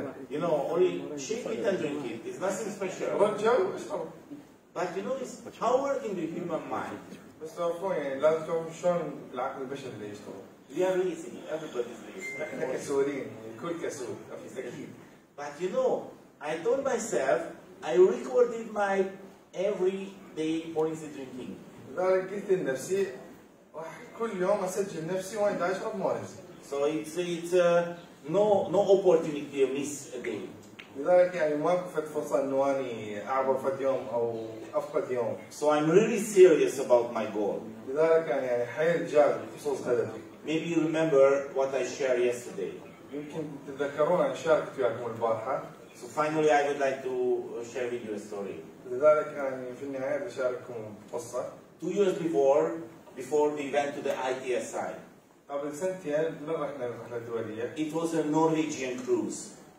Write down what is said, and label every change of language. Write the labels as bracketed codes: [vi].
[en] You know, only shake it and drink it. It's nothing special. رجل But you know, it's powering the human mind. [ar] بس تعرفون يعني لازم تعرفون شلون العقل البشري اللي يشتغل. [en] We are lazy, everybody's lazy. [ar] احنا كسولين، الكل كسول، أكيد. [en] But you know, I told myself, I recorded my everyday morning drinking. [ar] لذلك قلت لنفسي راح كل يوم أسجل نفسي وأنا قاعد أشرب مورينز. [en] So it's no opportunity to miss a day. [ar] لذلك يعني ما فت فرصة إنه أنا أعبر فت يوم أو أفقد يوم. [en] So I'm really serious about my goal. [ar] لذلك أنا يعني حيل جاد بخصوص هدفي. [en] Maybe you remember what I shared yesterday. [ar] يمكن تتذكرون أنا شاركت وياكم البارحة. [en] So finally I would like to share with you a story. [ar] لذلك يعني في النهاية بشارككم قصة. [en] 2 years before we went to the ITSI. [ar] قبل سنتين ما رحنا الرحلة الدولية. [en] It was a Norwegian cruise.